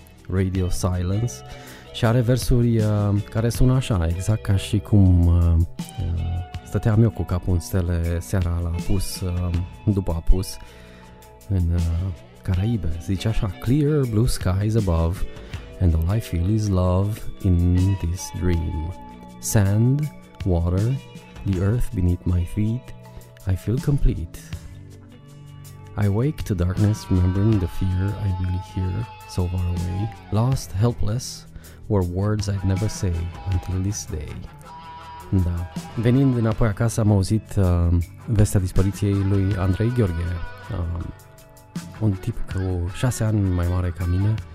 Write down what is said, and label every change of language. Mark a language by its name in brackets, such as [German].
[Romanian] Radio Silence și are versuri care sună așa, exact ca și cum stăteam eu cu capul în stele seara la apus, după apus, în Caraibe. Zice așa: [English] clear blue skies above, and all I feel is love in this dream. Sand, water, the earth beneath my feet, I feel complete. I wake to darkness, remembering the fear I really hear so far away. Lost, helpless, were words I'd never say until this day. [Romanian] Da. Venind înapoi acasă am auzit vestea dispariției lui Andrei Gheorghe, un tip cu 6 ani mai mare ca mine.